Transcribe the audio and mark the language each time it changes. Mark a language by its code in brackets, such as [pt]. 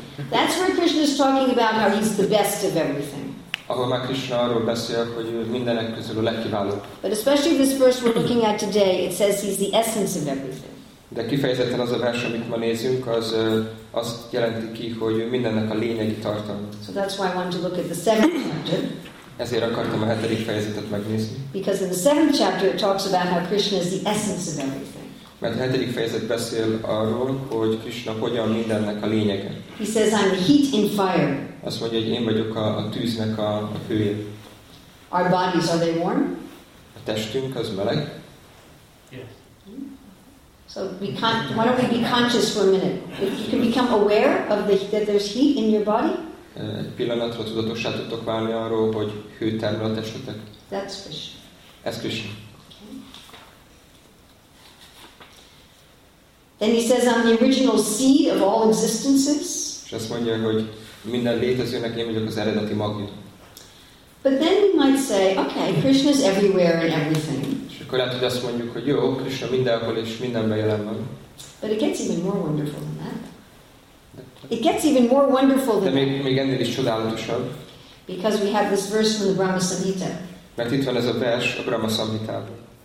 [en] That's where Krishna is talking about how he's the best of everything. [hu] Ahol már Krishna arról beszél, hogy mindenek közül a legkiválóbb. [en] But especially this verse we're looking at today, it says he's the essence of everything. [hu] De kifejezetten az a vers, amit ma nézünk, az azt jelenti ki, hogy mindennek a lényegi tartalma. [en] So that's why I want to look at the seventh chapter. [hu] Ezért akartam a hetedik fejezetet megnézni. [en] Because in the seventh chapter it talks about how Krishna is the essence of everything. [hu] Mert a hetedik fejezet beszél arról, hogy Krishna hogyan mindennek a lényege. [en] He says, I'm the heat in fire. [hu] Azt mondja, hogy én vagyok a tűznek a hője. [en] Our bodies, are they warm? [hu] A testünk az meleg. [en] So we can't, why don't we be conscious for a minute? If you can become aware of the, that there's heat in your body. [hu] Egy pillanatra tudatossá tudtok válni arról, hogy hő termel a testetek. [en] That's Krishna. [hu] Ez Krishna. [en] Okay. Then he says, I'm the original seed of all existences. [hu] És azt mondja, hogy minden létezőnek én vagyok az eredeti magja. [en] But then we might say, okay, Krishna is everywhere and everything. [hu] És akkor lehet, hogy azt mondjuk, hogy jó, Krishna mindenhol és mindenben jelen van. [en] But it gets even more wonderful than that. It gets even more wonderful than that. [hu] De még ennél is csodálatosabb. [en] Because we have this verse from the Brahma Samhita. [hu] Mert itt van ez a vers a Brahma Samhitában.